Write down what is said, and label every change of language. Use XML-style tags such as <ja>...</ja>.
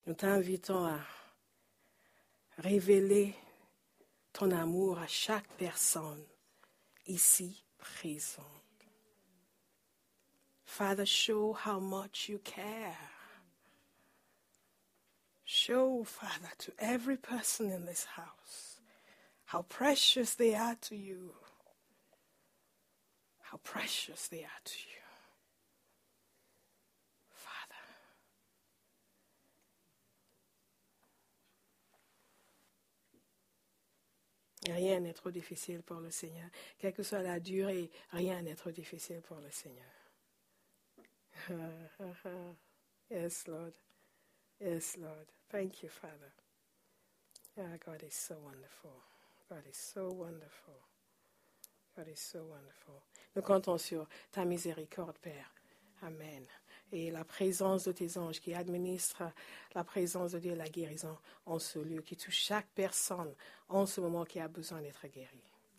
<fr>Nous t'invitons à révéler ton amour à chaque personne ici présente.</fr> <en>Father, show how much you care. Show, Father, to every person in this house how precious they are to you. How precious they are to you.</en> <fr>Rien n'est trop difficile pour le Seigneur. Quelle que soit la durée, rien n'est trop difficile pour le Seigneur.</fr> <en>Yes, Lord. Yes, Lord. Thank you, Father. Yeah, God is so wonderful. God is so wonderful. God is so wonderful.</en> <fr>Nous comptons sur ta miséricorde, Père. Amen. Et la présence de tes anges qui administrent la présence de Dieu, la guérison en ce lieu, qui touche chaque personne en ce moment qui a besoin d'être guérie.</fr>